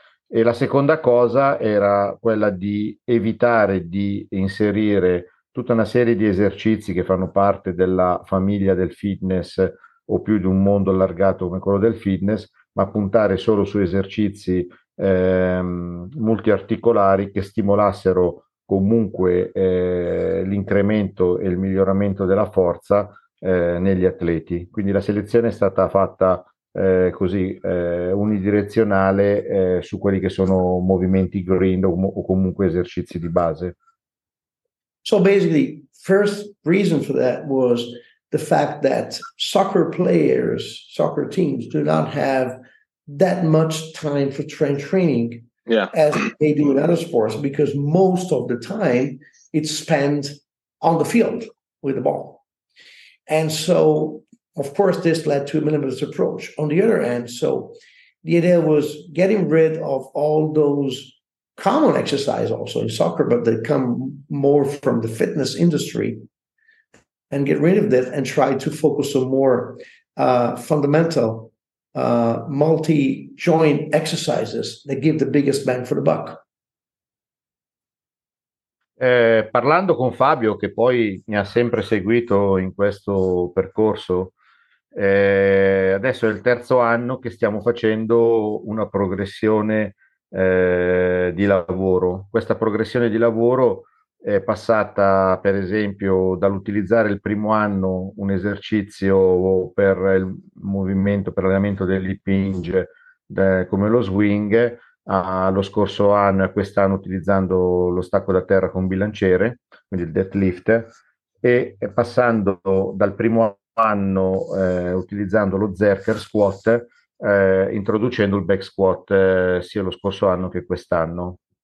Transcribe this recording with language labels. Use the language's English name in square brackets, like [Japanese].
[Italian] E la seconda cosa era quella di evitare di inserire tutta una serie di esercizi che fanno parte della famiglia del fitness o più di un mondo allargato come quello del fitness, ma puntare solo su esercizi multiarticolari che stimolassero comunque l'incremento e il miglioramento della forza negli atleti. Quindi la selezione è stata fatta così unidirezionale su quelli che sono movimenti green o comunque esercizi di base. [English] So basically, first reason for that was the fact that soccer players, soccer teams do not have that much time for strength training as they do in other sports, because most of the time it's spent on the field with the ball. And so, of course, this led to a minimalist approach. On the other hand, so the idea was getting rid of all those common exercise also in soccer, but they come more from the fitness industry, and get rid of that and try to focus on more fundamental multi-joint exercises that give the biggest bang for the buck. [Italian] Parlando con Fabio, che poi mi ha sempre seguito in questo percorso, adesso è il terzo anno che stiamo facendo una progressione di lavoro. Questa progressione di lavoro è passata, per esempio, dall'utilizzare il primo anno un esercizio per il movimento, per l'allenamento dell'hipinge, come lo swing, allo scorso anno e quest'anno utilizzando lo stacco da terra con bilanciere, quindi il deadlift, e passando dal primo anno utilizzando lo zerker squat, introducendo il back squat sia lo scorso anno che quest'anno.